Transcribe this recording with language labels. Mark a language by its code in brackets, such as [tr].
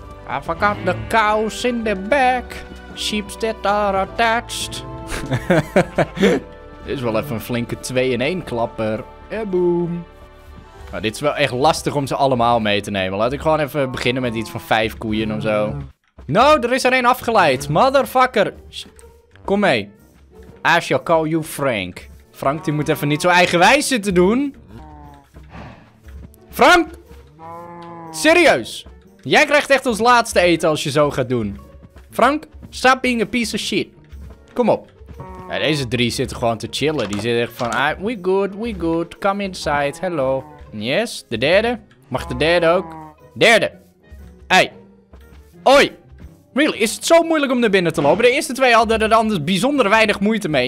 [en] I forgot the cows in the back. Sheep that are attached. [nl] Dit is wel even een flinke 2-in-1 klapper. En boom. Nou, dit is wel echt lastig om ze allemaal mee te nemen. Laat ik gewoon even beginnen met iets van 5 koeien of zo. No, er is er 1 afgeleid. Motherfucker. Kom mee. [en] I shall call you Frank. [nl] Frank, die moet even niet zo eigenwijs zitten doen. Frank! Serieus? Jij krijgt echt ons laatste eten als je zo gaat doen. [en] Frank, stop being a piece of shit. [nl] Kom op. Ja, deze 3 zitten gewoon te chillen. Die zitten echt van, [en] we good, come inside, hello. [nl] Yes, de derde. Mag de derde ook? Derde. Hey. Oi. Really, is het zo moeilijk om naar binnen te lopen? De eerste 2 hadden er anders bijzonder weinig moeite mee.